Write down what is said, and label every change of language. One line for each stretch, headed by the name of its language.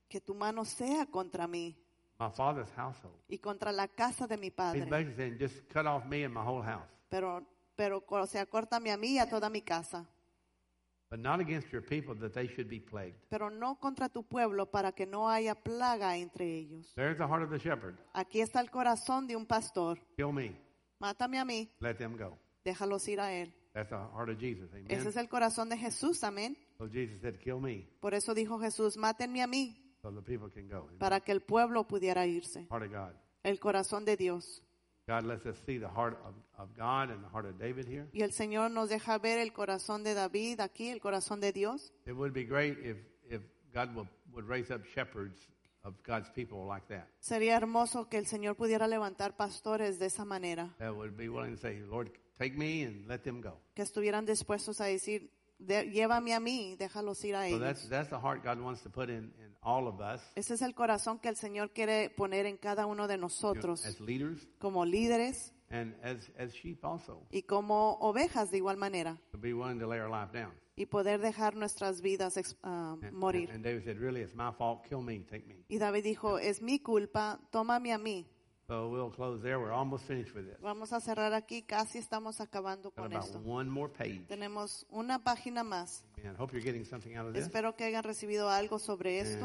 Spanish: Que tu mano sea contra mí.
English: My father's household.
Spanish: Y contra la casa de mi padre.
English: He's basically saying, just cut off me and my whole house.
Spanish: Pero o sea, córtame a mí y a toda mi casa.
English: But not against your people that they should be plagued.
Spanish: Pero no contra tu pueblo para que no haya plaga entre ellos.
English: There's the heart of the shepherd.
Spanish: Aquí está el corazón de un pastor.
English: Kill me.
Spanish: Mátame a mí.
English: Let them go.
Spanish: Déjalos ir a él.
English: That's the heart of Jesus. Amen.
Spanish: Ese es el corazón de Jesús. Amén.
English: So Jesus said, "Kill me."
Spanish: Por eso dijo Jesús, "Mátenme a mí."
English: So the people can go. Amen.
Spanish: Para que el pueblo pudiera irse.
English: Heart of God.
Spanish: El corazón de Dios.
English: God lets us see the heart of God and the heart of David here.
Spanish: Y el Señor nos deja ver el corazón de David aquí, el corazón de Dios.
English: It would be great if God would raise up shepherds of God's people like that.
Spanish: Sería hermoso que el Señor pudiera levantar pastores de esa manera.
English: That would be willing to say, "Lord, take me and let them go.
Spanish: Que estuvieran dispuestos a decir, llévame a mí, déjalos ir a ellos.
English: So that's the heart God wants to put in all of us.
Spanish: Ese es el corazón que el Señor quiere poner en cada uno de nosotros.
English: You know, as leaders.
Spanish: Como líderes.
English: And as sheep also.
Spanish: Y como ovejas de igual manera.
English: To be willing to lay our life down.
Spanish: Y poder dejar nuestras vidas morir.
English: And David said, really, it's my fault, kill me, take me.
Spanish: Y David dijo, es mi culpa, tómame a mí.
English: So we'll close there. We're almost finished with this.
Spanish: Vamos a cerrar aquí. Casi estamos acabando con esto.
English: Got about one more page.
Spanish: Tenemos una página más.
English: Amen. Hope you're getting something out of this.
Spanish: Espero que hayan recibido algo sobre esto.